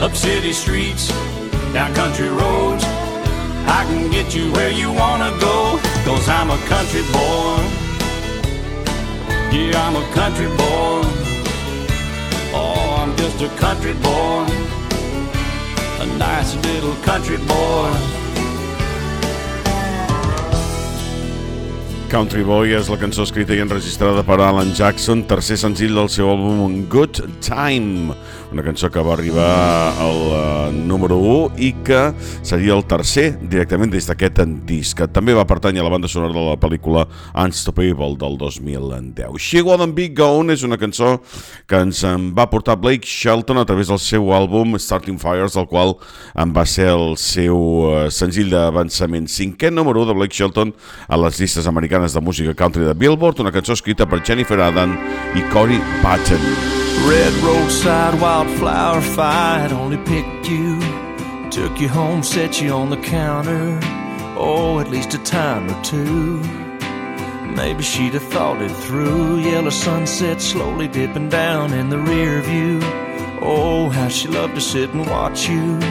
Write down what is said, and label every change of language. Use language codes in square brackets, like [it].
[en] Up city streets, down country roads, I can get you where you wanna go, 'cause I'm a country boy. Yeah, I'm a country boy. Oh, I'm just a country boy, a nice little country boy. [ca] Country Boy és la cançó escrita i enregistrada per Alan Jackson, tercer senzill del seu àlbum Good Time, una cançó que va arribar al número 1 i que seria el tercer directament des d'aquest disc, que també va pertànyer a la banda sonora de la pel·lícula Unstoppable del 2010. She Wouldn't Be Gone és una cançó que ens en va portar Blake Shelton a través del seu àlbum Starting Fires, el qual en va ser el seu senzill d'avançament, cinquè número 1 de Blake Shelton a les llistes americanes de música country de Billboard, una cançó escrita per Jennifer Adam i Corey Patton. [en] Red roadside wildflower fire, only picked you, took you home, set you on the counter, oh, at least a time or two. Maybe she'd have thought it through. Yellow sunset slowly dipping down in the rear view, oh, how she loved to sit and watch you.